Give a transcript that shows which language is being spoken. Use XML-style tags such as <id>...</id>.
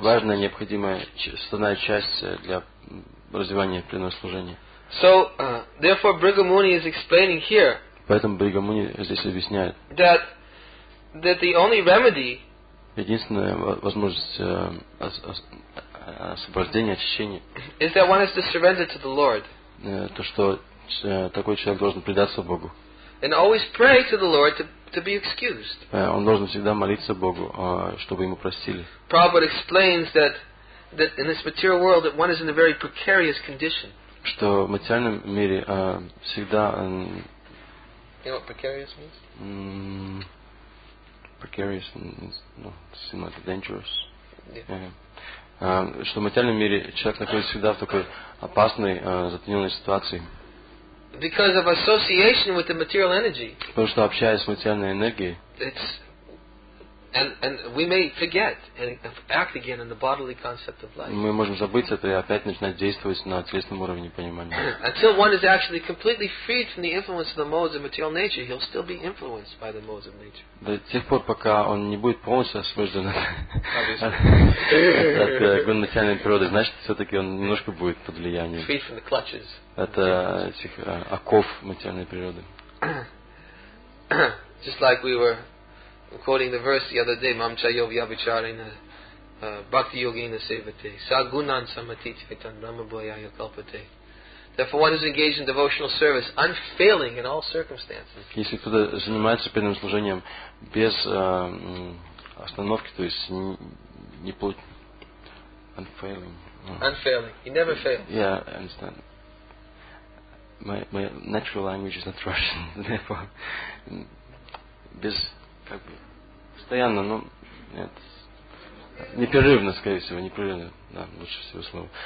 <ru>Это очень важная часть для развивания преданного служения.</ru> <en>So therefore, Brihu Muni is explaining here.</en> <ru>Поэтому Бриху Муни здесь объясняет.</ru> <en>That the only remedy.</en> <ru>Единственная возможность освобождения, очищения.</ru> <en>Is that one has to surrender to the Lord.</en> <ru>То что такой человек должен предаться Богу.</ru> <en>And always pray to the Lord to be excused.</en> <ru>Он должен всегда молиться Богу, чтобы ему простили.</ru> <en>Prabhupada explains that in this material world that one is in a very precarious condition.</en> <ru>Что в материальном мире всегда.</ru> <en>You know what precarious means? Precarious means, no, seem like dangerous.</en> <ru>Что в материальном мире человек находится всегда в такой опасной, затененной ситуации.</ru> <en>Because of association with the material energy.</en> <ru>Потому что общаясь с материальной энергией.</ru> <en>It's and we may forget and act again in the bodily concept of life.</en> <ru>Мы можем забыть это и опять начинать действовать на телесном уровне понимания.</ru> <en>Until one is actually completely freed from the influence of the modes of material nature, he'll still be influenced by the modes of nature.</en> <ru>До тех пор, пока он не будет полностью освобожден от гун материальной природы, значит, все-таки он немножко будет под влиянием.</ru> <en>Freed from the clutches.</en> <ru>Это этих оков материальной природы.</ru> <en>Just like we were. Quoting the verse the other day,</en> <sa>Mamchayo Vyavicharina Bhakti Yogina Sevate, Sagunan Samati Chaitan Ramaboyaya Kalpate.</sa> <en>Therefore, one is engaged in devotional service unfailing in all circumstances.</en> <ru>Если кто-то занимается преданным служением без остановки, то есть не будет unfailing.</ru> <en>Unfailing. He never fails. Yeah, I understand. My natural language is not Russian, therefore</en> <ru>без. Как бы постоянно, но нет, непрерывно, скорее всего, непрерывно, да, лучше всего слово.</ru>